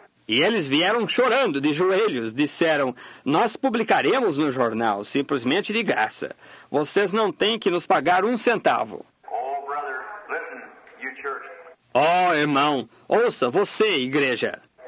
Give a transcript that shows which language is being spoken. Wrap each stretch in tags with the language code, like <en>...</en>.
<pt>E eles vieram chorando de joelhos, disseram: nós publicaremos no jornal, simplesmente de graça. Vocês não têm que nos pagar um centavo.</pt> <en>Oh, brother, listen, you church.</en> <pt>Oh, irmão, ouça você, igreja.</pt>